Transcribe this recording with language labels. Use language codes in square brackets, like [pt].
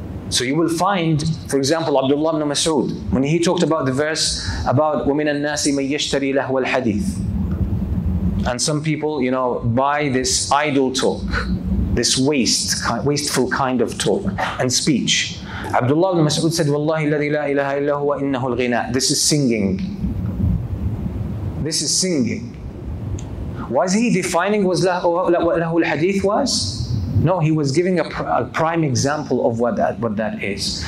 [en] So you will find, for example, Abdullah ibn Mas'ud, when he talked about the verse about [ar] وَمِنَ النَّاسِ مَنْ يَشْتَرِي لَهُ الْحَدِيثِ, [en] and some people, you know, buy this idle talk, this wasteful kind of talk and speech. Abdullah ibn Mas'ud said, [ar] وَاللَّهِ الَّذِي لَا إِلَهَ إِلَّا هُوَ إِنَّهُ الْغِنَى. [en] This is singing. This is singing. Was he defining what [ar] لَهُ الْحَدِيثِ [en] was? No, he was giving a prime example of what that is.